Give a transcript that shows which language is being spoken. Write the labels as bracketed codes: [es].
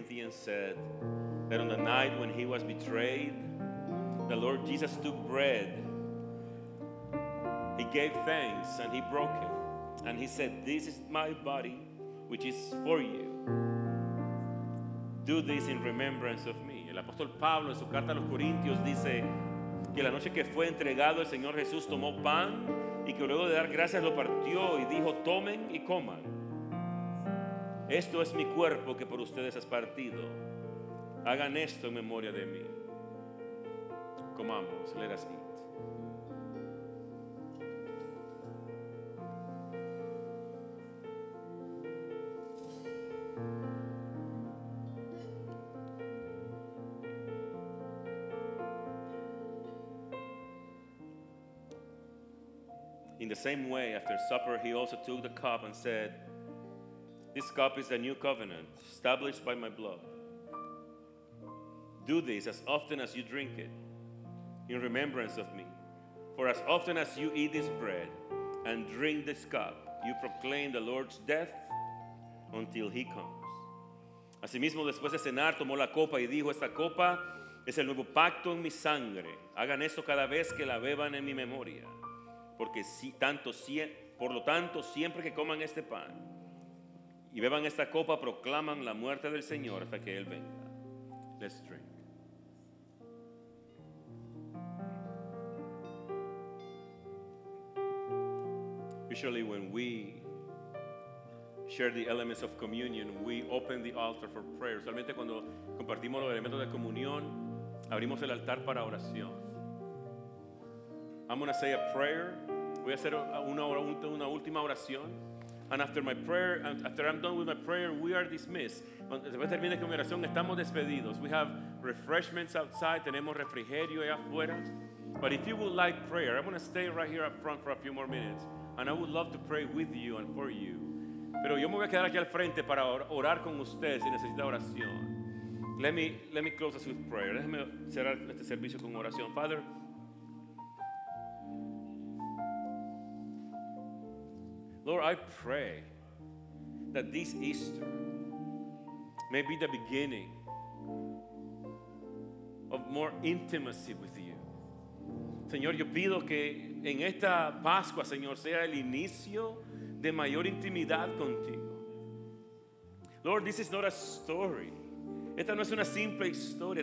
[en] Said that on the night when he was betrayed, the Lord Jesus took bread, he gave thanks, and he broke it, and he said, "This is my body, which is for you. Do this in remembrance of me." [es] El apóstol Pablo en su carta a los Corintios dice que la noche que fue entregado, el Señor Jesús tomó pan y que luego de dar gracias lo partió y dijo, "Tomen y coman. Esto es mi cuerpo que por ustedes es partido. Hagan esto en memoria de mí." Comamos. [en] Let us eat. In the same way, after supper, he also took the cup and said, "This cup is the new covenant established by my blood. Do this as often as you drink it in remembrance of me. For as often as you eat this bread and drink this cup, you proclaim the Lord's death until he comes." [es] Asimismo, después de cenar, tomó la copa y dijo, "Esta copa es el nuevo pacto en mi sangre. Hagan esto cada vez que la beban en mi memoria. Porque si, tanto, si, por lo tanto, siempre que coman este pan y beban esta copa, proclaman la muerte del Señor hasta que Él venga." [en] Let's drink. Usually when we share the elements of communion, we open the altar for prayer. [es] Solamente cuando compartimos los elementos de comunión, abrimos el altar para oración. [en] I'm going to say a prayer. [es] Voy a hacer una última oración. [en] And after my prayer, after I'm done with my prayer, we are dismissed. [es] Después de terminar mi oración, estamos despedidos. [en] We have refreshments outside. [es] Tenemos refrigerio allá afuera. [en] But if you would like prayer, I'm going to stay right here up front for a few more minutes. And I would love to pray with you and for you. [es] Pero yo me voy a quedar aquí al frente para orar con ustedes si necesita oración. [en] Let me close us with prayer. [es] Déjeme cerrar este servicio con oración. [en] Father, Lord, I pray that this Easter may be the beginning of more intimacy with you. [es] Señor, yo pido que en esta Pascua, Señor, sea el inicio de mayor intimidad contigo. [en] Lord, this is not a story. [es] Esta no es una simple historia.